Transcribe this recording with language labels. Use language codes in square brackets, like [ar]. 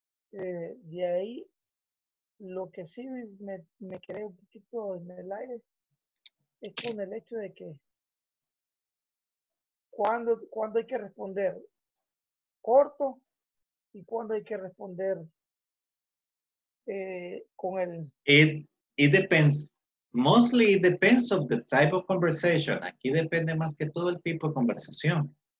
[es] De ahí, lo que sí me quedé un poquito en el aire es con el hecho de que cuando hay que responder corto y cuando hay que responder con el... [en] It depends. Mostly it depends on the type of conversation. [es] Aquí depende más que todo el tipo de conversación.